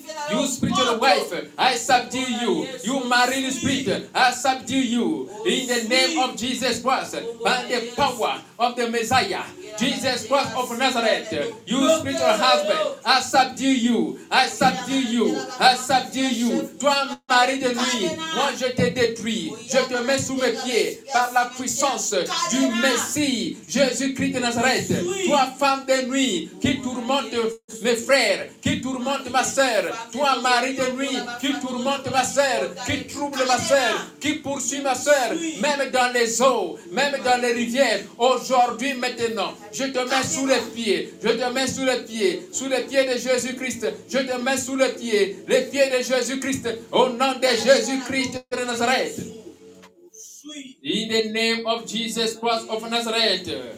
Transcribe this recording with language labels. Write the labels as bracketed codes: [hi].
[en] You spiritual wife, I subdue you. You marine spirit, I subdue you. In the name of Jesus Christ, by the power of the Messiah, Jesus Christ of Nazareth, you spiritual husband, I subdue you. I subdue you. I subdue you. [fr] Toi, mari de nuit, moi je te détruis. Je te mets sous mes pieds par la puissance du Messie, Jésus-Christ de Nazareth. Toi, femme de nuit, qui tourmente mes frères, qui tourmente ma sœur. Toi, mari de nuit, qui tourmente ma sœur, qui trouble ma sœur, qui poursuit ma sœur, même dans les eaux, même dans les rivières, aujourd'hui, maintenant, je te mets sous les pieds, je te mets sous les pieds de Jésus-Christ, je te mets sous les pieds de Jésus-Christ, au nom de Jésus-Christ de Nazareth. [en] In the name of Jesus Christ of Nazareth.